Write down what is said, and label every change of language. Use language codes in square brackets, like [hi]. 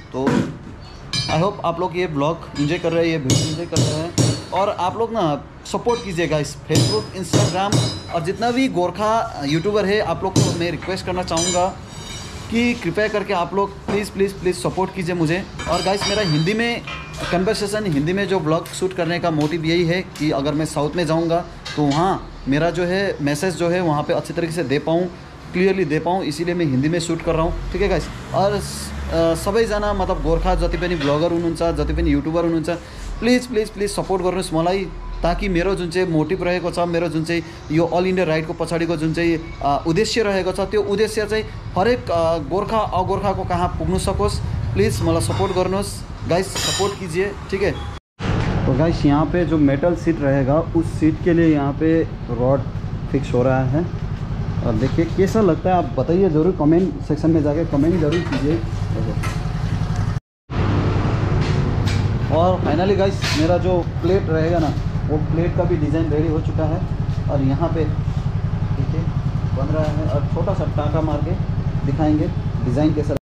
[hi] तो [en] I hope [hi] आप लोग ये ब्लॉग इंजॉय कर रहे हैं, ये वीडियो इंजॉय कर रहे हैं, और आप लोग ना सपोर्ट कीजिएगा इस फेसबुक इंस्टाग्राम और जितना भी गोरखा यूट्यूबर है आप लोग को मैं रिक्वेस्ट करना चाहूँगा कि कृपया करके आप लोग प्लीज़ सपोर्ट कीजिए मुझे। और गाइस मेरा हिंदी में कन्वर्सेशन हिंदी में जो ब्लॉग शूट करने का मोटिव यही है कि अगर मैं साउथ में जाऊँगा तो वहाँ मेरा जो है मैसेज जो है वहाँ पे अच्छे तरीके से दे पाऊँ क्लियरली दे पाऊँ, इसीलिए मैं हिंदी में शूट कर रहा हूँ, ठीक है गाइस। [ne] और सबै जना मतलब गोरखा जति पनि ब्लगर हुनुहुन्छ जति पनि यूट्यूबर हुनुहुन्छ प्लीज सपोर्ट गर्नुस् मलाई, ताकि मेरो जुन चाहिँ मोटिभ रहेको छ मेरो जुन चाहिँ यो अल इन्डिया राइडको पछाडिको जुन चाहिँ उद्देश्य रहेको छ त्यो उद्देश्य चाहिँ हरेक गोरखा अगोर्खाको कहाँ पुग्न सकोस्, प्लिज मलाई सपोर्ट गर्नुहोस् गाइस, [hi] सपोर्ट कीजिए, ठीक है। तो गाइस यहाँ पे जो मेटल सीट रहेगा उस सीट के लिए यहाँ पे रॉड फिक्स हो रहा है, और देखिए कैसा लगता है आप बताइए ज़रूर कमेंट सेक्शन में जाके कमेंट ज़रूर कीजिए। और फाइनली गाइस मेरा जो प्लेट रहेगा ना वो प्लेट का भी डिज़ाइन रेडी हो चुका है, और यहाँ पे देखिए बन रहा है, और छोटा सा टाँका मार के दिखाएँगे डिज़ाइन कैसा।